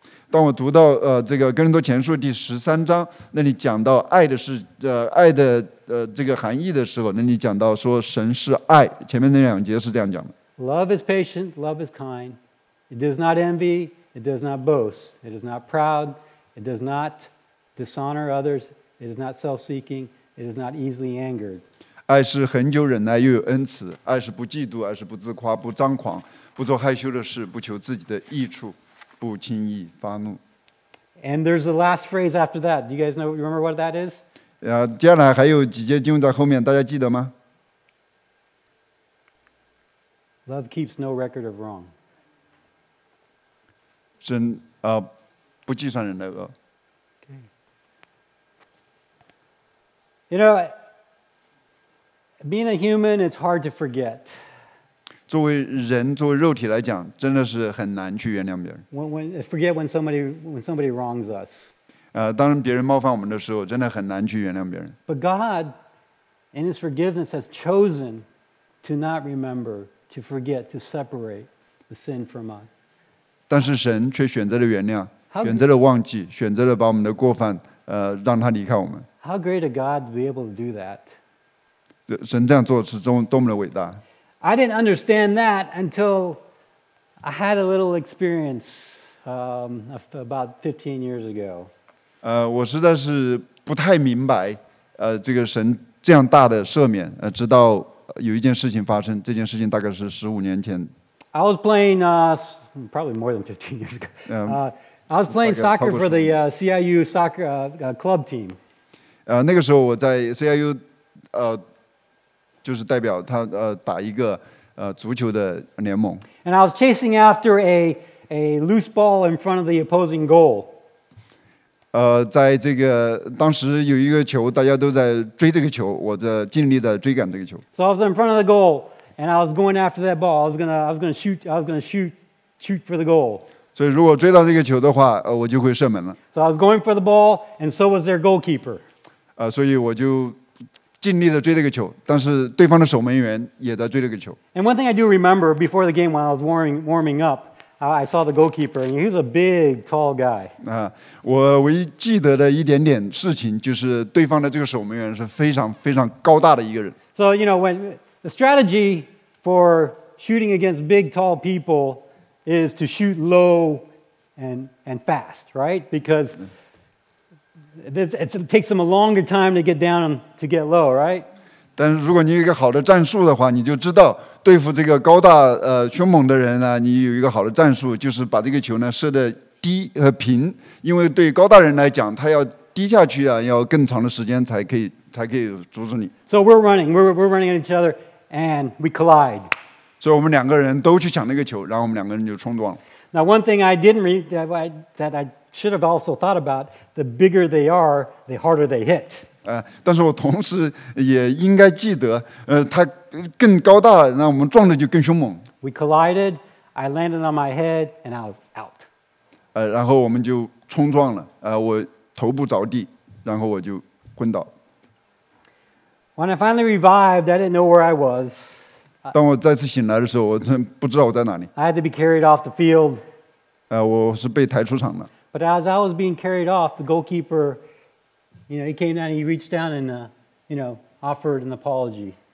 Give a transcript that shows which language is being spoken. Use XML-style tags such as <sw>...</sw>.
<zh>当我读到这个哥林多前书第十三章，那里讲到爱的是爱的这个含义的时候，那里讲到说神是爱，前面那两节是这样讲的。</zh> <en>Love is patient, love is kind. It does not envy, it does not boast, it is not proud, it does not dishonor others, it is not self-seeking, it is not easily angered.</en> <zh>爱是恒久忍耐，又有恩慈。爱是不嫉妒，爱是不自夸，不张狂，不做害羞的事，不求自己的益处，不轻易发怒。</zh> <en>And there's the last phrase after that. Do you guys remember what that is?</en> <zh>接下来还有几节经文在后面，大家记得吗</zh> <en>？Love keeps no record of wrong.</en> <zh>神不计算人的恶。</zh> <en>You know. Being a human, it's hard to forget.</en> <zh>作为人，作为肉体来讲，真的是很难去原谅别人。</zh> <en>When somebody wrongs us.</en> <zh>当别人冒犯我们的时候，真的很难去原谅别人。</zh> <en>But God, in His forgiveness, has chosen to not remember, to forget, to separate the sin from us.</en> <zh>但是神却选择了原谅，选择了忘记，选择了把我们的过犯，让他离开我们。</zh> <en>How great a God to be able to do that!</en> <zh>神这样做是多么的伟大。</zh> <en>I didn't understand that until I had a little experience about 15 years ago.</en> <zh>我实在是不太明白，这个神这样大的赦免，直到有一件事情发生，这件事情大概是15年前。</zh> <en>I was playing probably more than 15 years ago. I was playing soccer for the CIU soccer club team.</en> <zh>那个时候我在 CIU就是代表他打一个足球的联盟。</zh> <en>And I was chasing after a loose ball in front of the opposing goal.</en> <zh>在这个当时有一个球，大家都在追这个球，我在尽力的追赶这个球。</zh> <en>So I was in front of the goal, and I was going after that ball. I was gonna shoot for the goal.</en> <zh>所以如果追到这个球的话，我就会射门了。</zh> <en>So I was going for the ball, and so was their goalkeeper.</en> <zh>所以我就尽力的追这个球，但是对方的守门员也在追这个球。</zh> <en>And one thing I do remember before the game, when I was warming up, I saw the goalkeeper, and he was a big, tall guy.</en> <zh>我唯一记得的一点点事情就是对方的这个守门员是非常非常高大的一个人。</zh> <en>So you know, when the strategy for shooting against big, tall people is to shoot low and fast, right? Because it takes them a longer time to get down to get low, right?</en> <zh>但是如果你有一个好的战术的话，你就知道对付这个高大凶猛的人呢，你有一个好的战术，就是把这个球呢射得低和平，因为对高大人来讲，他要低下去啊，要更长的时间才可以阻止你。</zh> <en>So we're running at each other and we collide.</en> <zh>所以我们两个人都去抢那个球，然后我们两个人就冲撞了。</zh> <en>Now one thing I didn't read that I should have also thought about: the bigger they are, the harder they hit.</en> <zh>但是我同时也应该记得，他更高大，那我们撞的就更凶猛。</zh> <en>We collided. I landed on my head, and I was out.</en> <zh>然后我们就冲撞了。我头部着地，然后我就昏倒。</zh> <en>When I finally revived, I didn't know where I was.</en> <zh>当我再次醒来的时候，我真不知道我在哪里。</zh> <en>I had to be carried off the field.</en> <zh>我是被抬出场的。</zh> <en>But as I was being carried off, the goalkeeper, you know, he came down, he reached down and, you know, offered an apology.</en>